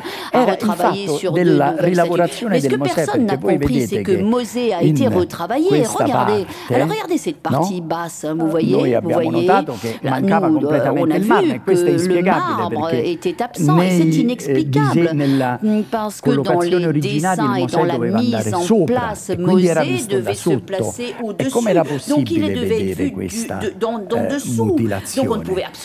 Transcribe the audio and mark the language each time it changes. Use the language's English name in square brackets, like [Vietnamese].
[Italian] era il fatto della rilavorazione del Mosè, che voi vedete che Mosè ha [French] été retravaillé. Regardez cette partie basse, vous voyez, [Italian] noi abbiamo notato che mancava completamente il marmo, e questo è inspiegabile perché nella collocazione originale il Mosè doveva andare sopra e quindi era visto da sotto. E come era possibile vedere questa mutilazione?